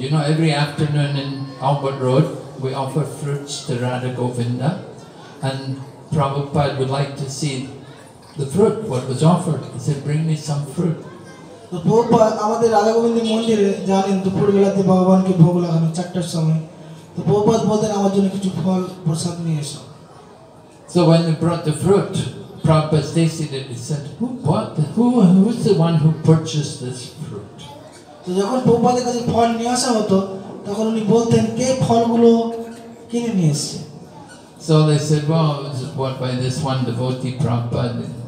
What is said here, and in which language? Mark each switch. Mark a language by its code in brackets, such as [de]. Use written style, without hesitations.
[en] You know, every afternoon in Albert Road, we offer fruits to Radha Govinda. And Prabhupada would like to see the fruit, what was offered. He said, bring me some fruit. [bn] তো প্রভুপাদ আমাদের রাধা গোবিন্দ মন্দিরে জানেন দুপুরবেলাতে ভগবানকে ভোগ লাগানো চারটার সময় তো প্রভুপাদ বলতেন আমার জন্য কিছু ফল প্রসাদ নিয়ে এসো [en] So when they brought the fruit, Prabhupada tasted it. He said, who's the one who purchased this fruit? [bn] তো যখন প্রভুপাদের কাছে ফল নিয়ে আসা হতো তখন উনি বলতেন কে ফলগুলো কিনে নিয়ে এসেছে [en] So they said, well, it was bought by this one devotee, Prabhupada.